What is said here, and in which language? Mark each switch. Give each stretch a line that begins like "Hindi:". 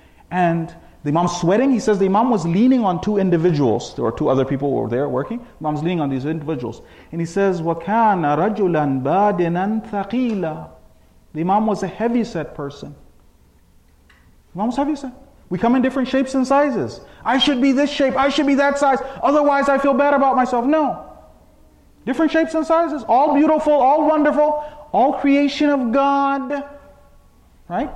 English: And the Imam's sweating. He says the Imam was leaning on two individuals. There were two other people who were there working. The Imam's leaning on these individuals. And he says,
Arabic: وَكَانَ رَجُلًا بَادِنًا ثَقِيلًا.
English: The Imam was a heavyset person. The Imam was heavyset. We come in different shapes and sizes. I should be this shape, I should be that size, otherwise I feel bad about myself. No. Different shapes and sizes, all beautiful, all wonderful, all creation of God. Right?